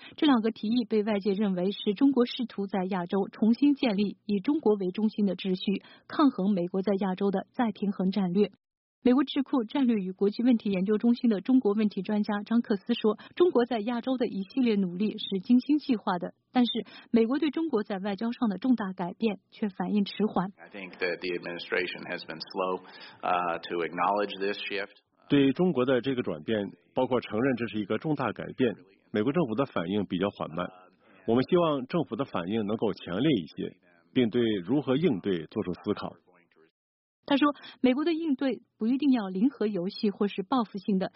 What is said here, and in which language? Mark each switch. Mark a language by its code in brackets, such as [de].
[zh] 这两个提议被外界认为是中国试图在亚洲重新建立以中国为中心的秩序，抗衡美国在亚洲的再平衡战略。美国智库战略与国际问题研究中心的中国问题专家张克思说，中国在亚洲的一系列努力是精心计划的，但是美国对中国在外交上的重大改变却反应迟缓。 [en] I think that the administration has been slow, to acknowledge this shift. [zh] 对中国的这个转变，包括承认这是一个重大改变，美国政府的反应比较缓慢。我们希望政府的反应能够强烈一些，并对如何应对做出思考。他说，美国的应对不一定要零和游戏或是报复性的。